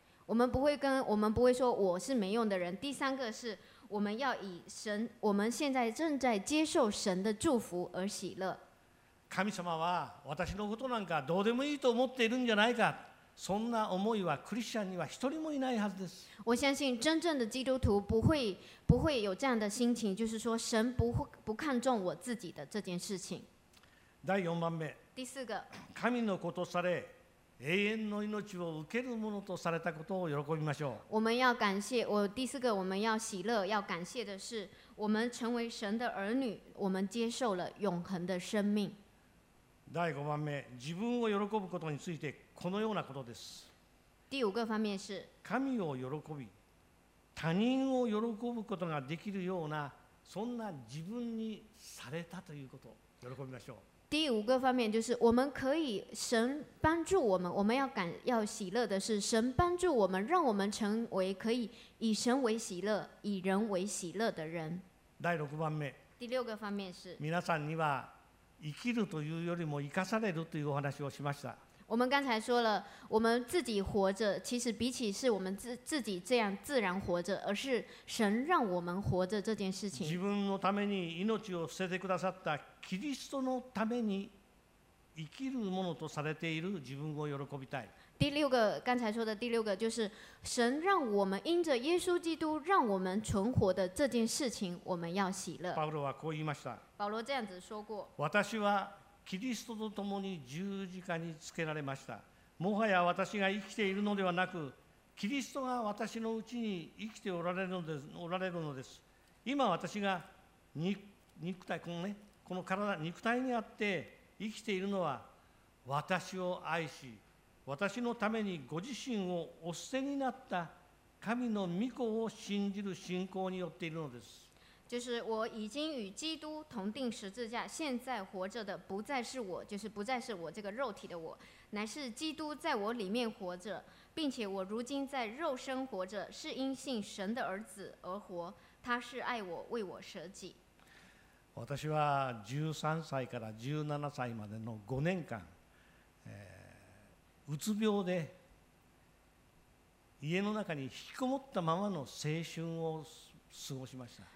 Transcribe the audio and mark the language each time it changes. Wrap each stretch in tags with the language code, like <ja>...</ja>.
<zh>我们不会说我是没用的人。第三个是我们要以神，我们现在正在接受神的祝福而喜乐。</zh> <ja>神様は私のことなんかどうでもいいと思っているんじゃないか。そんな思いはクリスチャンには一人もいないはずです。</ja> <zh>我相信真正的基督徒不会有这样的心情，就是说神不看重我自己的这件事情。</zh> <ja>第4番目。</ja> <zh>第四个。</zh> <ja>神の子とされ。永遠の命を受けるものとされたことを喜びましょう。</ja> <zh>我们要感谢，我第四个我们要喜乐，要感谢的是，我们成为神的儿女，我们接受了永恒的生命。</zh> <ja>第五番目、自分を喜ぶことについてこのようなことです。</ja> <zh>第五个方面是。</zh> <ja>神を喜び、他人を喜ぶことができるようなそんな自分にされたということを喜びましょう。</ja> <zh>第五个方面就是我们可以神帮助我们，我们 要喜乐的是神帮助我们，让我们成为可以以神为喜乐，以人为喜乐的人。</zh> <ja>第六番目。</ja> <zh>第六个方面是。</zh> <ja>皆さんには生きるというよりも生かされるというお話をしました。</ja> <zh>我们刚才说了，我们自己活着，其实比起是我们 自己这样自然活着，而是神让我们活着这件事情。</zh> <ja>自分のために命を捨ててくださったキリストのために生きるものとされている自分を喜びたい。</ja> <zh>第六个，刚才说的第六个，就是神让我们因着耶稣基督让我们存活的这件事情，我们要喜乐。</zh> <ja>パウロはこう言いました。</ja> <zh>保罗这样子说过。</zh> <ja>私はキリストと共に十字架につけられました。もはや私が生きているのではなく、キリストが私のうちに生きておられるのです。今私が肉体、このね、この体、肉体にあって生きているのは、私を愛し、私のためにご自身をお捨てになった神の御子を信じる信仰によっているのです。</ja> <zh>就是我已经与基督同钉十字架，现在活着的不再是我，就是不再是我这个肉体的我，乃是基督在我里面活着，并且我如今在肉身活着，是因信神的儿子而活，他是爱我，为我舍己。</zh> <ja>私は13歳から17歳までの5年間、うつ病で家の中に引きこもったままの青春を過ごしました。</ja>